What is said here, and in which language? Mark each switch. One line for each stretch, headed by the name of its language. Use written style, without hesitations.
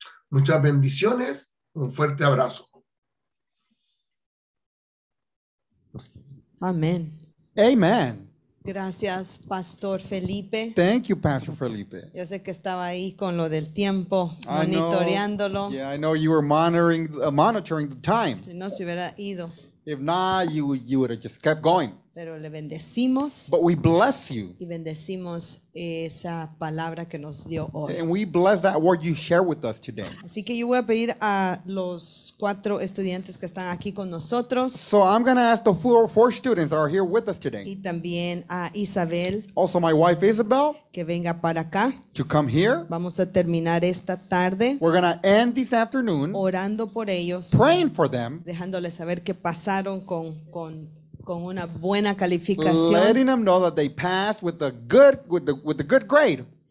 Spanish: Muchas bendiciones, un fuerte abrazo. Amén.
English: Amen.
Spanish: Gracias, Pastor Felipe.
English: Thank you, Pastor Felipe.
Spanish: Yo sé que estaba ahí con lo del tiempo, monitoreándolo.
English: Yeah, I know you were monitoring the time.
Spanish: Si no, se hubiera ido.
English: If not, you would have just kept going.
Spanish: Pero le bendecimos.
English: But we bless you.
Spanish: Y bendecimos esa palabra que nos dio hoy.
English: And we bless that word you share with us today.
Spanish: Así que yo voy a pedir a los cuatro estudiantes que están aquí con nosotros.
English: So I'm going to ask the four students that are here with us today.
Spanish: Y también a Isabel.
English: Also my wife Isabel.
Spanish: Que venga para acá.
English: To come here.
Spanish: Vamos a terminar esta tarde.
English: We're going to end this afternoon.
Spanish: Orando por ellos.
English: Praying for them.
Spanish: Dejándoles saber qué pasaron con una buena calificación.
English: Letting them know that they passed with a good grade.